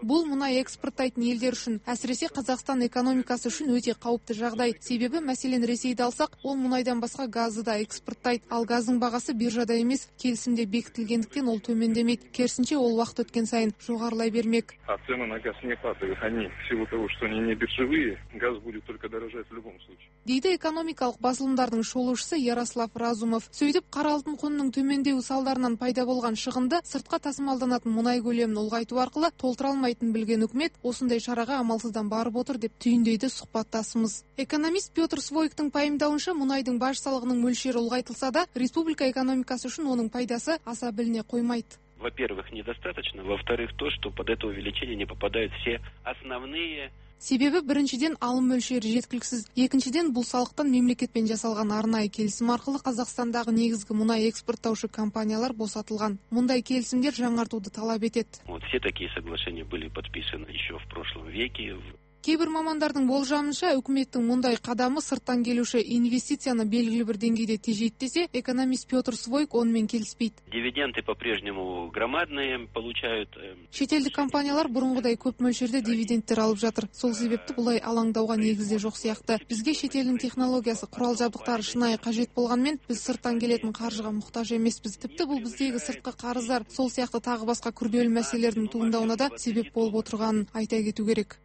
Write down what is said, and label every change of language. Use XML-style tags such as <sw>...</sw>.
<kk>Бұл мұнай экспорттайтын елдер үшін, әсіресе Қазақстан экономикасы үшін өте қауіпті жағдай. Себебі, мәселен, Ресейді алсақ, ол мұнайдан басқа газды да экспорттайды. Ал газдың бағасы биржада емес, келісімде бекітілгендіктен ол төмендемейді. Керісінше, ол уақыт өткен сайын жоғарылай бермек.</kk> <ru>А цены на газ не падают. Они, в силу того, что они не биржевые, газ будет только дорожать в любом случае.</ru> <kk>Дейді экономикалық басылымдардың шолушысы Ярослав Разумов. Сөйтіп, қара алтын құнының төмендеуі салдарынан пайда болған шығынды сыртқа тасымалданатын мұнай көлемін ұлғайту арқылы толтыра алмайтын білген үкімет осындай шараға амалсыздан барып отыр деп түйіндейді сұхбаттасымыз. Экономист Петр Свойктың пайымдауынша мұнайдың баж салығының мөлшері ұлғайтылса да, республика экономикасы үшін оның пайдасы аса біліне қоймайды.</kk> <ru>Во-первых, недостаточно, во-вторых, то, что под это увеличение не попадают все основные</ru> <kk>Себебі біріншіден алым мөлшері жеткіліксіз. Екіншіден бұл салықтан мемлекетпен жасалған арнайы келісім арқылы Қазақстандағы негізгі мұнай экспорттаушы компаниялар босатылған. Мұндай келісімдер жаңартуды талап етеді.</kk> <ru>Вот все такие соглашения были подписаны еще в прошлом веке.</ru> <kk>Кейбір мамандардың болжамынша, үкіметтің мұндай қадамы сырттан келуші инвестицияны белгілі бір деңгейде тежейттесе, экономист Петр Свойк онымен келіспейді.</kk> <ru>Дивиденды по-прежнему громадные получают.</ru> <kk>Шетелдік компаниялар бұрынғыдай көп мөлшерде дивидендтер алып жатыр. Сол себепті бұлай алаңдауға негізде жоқ сияқты. Бізге шетелдің технологиясы, құрал-жабдықтары шынайы қажет болғанмен, біз сырттан келетін қаржыға мұқтаж емеспіз. Тіпті бұл біздегі сыртқы қарыздар, сол сияқты тағы басқа күрделі мәселелердің туындауына да себеп болып отырғанын айта кету керек.</kk>